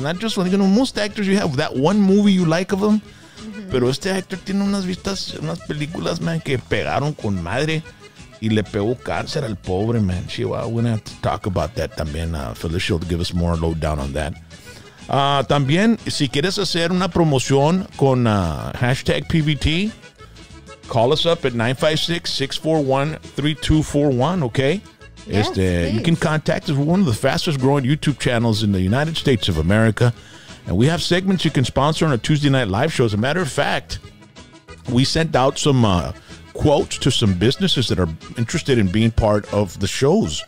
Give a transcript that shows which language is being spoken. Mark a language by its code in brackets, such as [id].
[en] Not just one. You know, most actors, you have that one movie you like of them. Mm-hmm. [es] Pero este actor tiene unas vistas, unas películas, man, que pegaron con madre y le pegó cáncer al pobre, man. [en] Chihuahua, we're going to have to talk about that también. Felicia will give us more lowdown on that. [es] También, si quieres hacer una promoción con hashtag PBT, [en] call us up at 956-641-3241, okay? Yes, you can contact us. We're one of the fastest growing YouTube channels in the United States of America. And we have segments you can sponsor on our Tuesday Night Live show. As a matter of fact, we sent out some quotes to some businesses that are interested in being part of the shows.